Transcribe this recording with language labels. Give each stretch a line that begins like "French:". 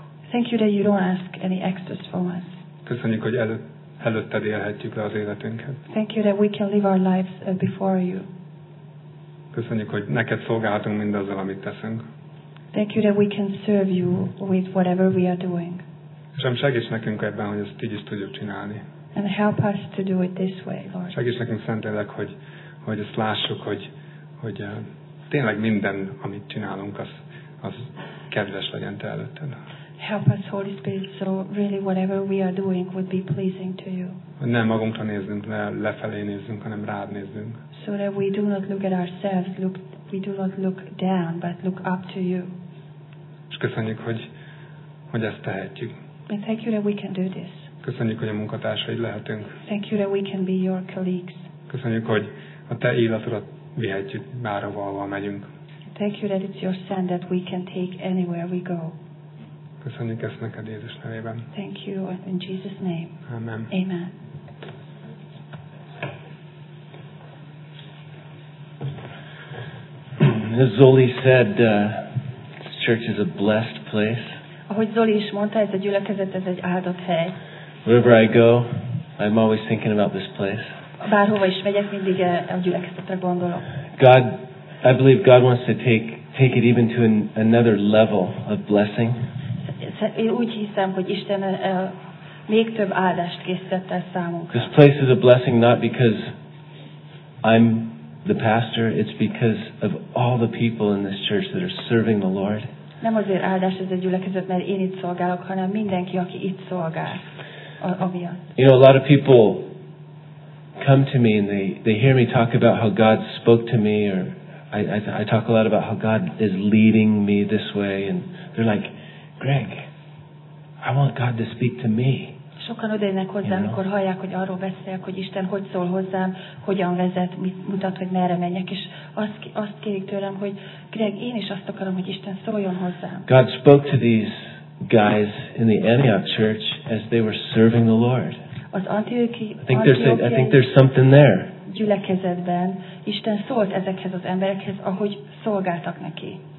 English: Thank you that you don't ask any extras from us.
Hungarian: Köszönjük, hogy előtted élhetjük le az életünket.
English: Thank you that we can live our lives before you.
Hungarian: Köszönjük, hogy neked szolgálhatunk mindazzal, amit teszünk.
English: Thank you that we can serve you with whatever we are doing.
Hungarian: És segíts nekünk ebben, hogy ezt így is tudjuk csinálni.
English: And help us to do it this way, Lord.
Hungarian: Segíts nekünk, Szentlélek, hogy ezt lássuk, hogy tényleg minden, amit csinálunk, az kedves legyen te előtted.
English: Help us, Holy Spirit, so really whatever we are doing would be pleasing to you.
Hungarian: Hogy nem magunkra nézzünk, ne lefelé nézzünk, hanem rád nézzünk.
English: So that we do not look at ourselves, we do not look down, but look up to you.
Hungarian: És köszönjük, hogy ezt tehetjük.
English: And thank you that we can do this.
Hungarian: Köszönjük, hogy a munkatársaid lehetünk.
English: Thank you that we can be your colleagues.
Hungarian: Köszönjük, hogy a te életedet vihetjük, bárhova, ahova megyünk.
English: Thank you that it's your son that we can take anywhere we go.
Hungarian: Köszönjük ezt neked Jézus nevében.
English: Thank you in Jesus' name. Amen. Amen. As Zoli said, this church is a blessed place.
Hungarian: Ahogy Zoli is mondta, ez a gyülekezet, ez egy áldott hely.
English: Wherever I go, I'm always thinking about this place.
Hungarian: Bárhova is megyek, mindig a gyülekezetre gondolok.
English: God, I believe God wants to take it even to another level of blessing.
Hungarian: Én úgy hiszem, hogy Isten még több áldást készített el számunkra.
English: This place is a blessing not because I'm the pastor, it's because of all the people in this church that are serving the Lord.
Hungarian: Nem azért áldás ez a gyülekezet, mert én itt szolgálok, hanem mindenki, aki itt szolgál, amiatt.
English: You know, a lot of people come to me and they hear me talk about how God spoke to me, or I talk a lot about how God is leading me this way, and they're like, Greg, I want God to speak to me.
Hungarian: Sokan odaérnek hozzám, amikor hallják, hogy arról beszélek, hogy Isten hogy szól hozzám, hogyan vezet, mit mutat, hogy merre menjek, és azt kérik tőlem, hogy Greg, én is azt akarom, hogy Isten szóljon hozzám.
English: God spoke to these guys in the Antioch church as they were serving the Lord.
Hungarian: az Antiochi,
English: I think there's something there.
Hungarian: Gyülekezetben Isten szólt ezekhez az emberekhez, ahogy szolgáltak neki.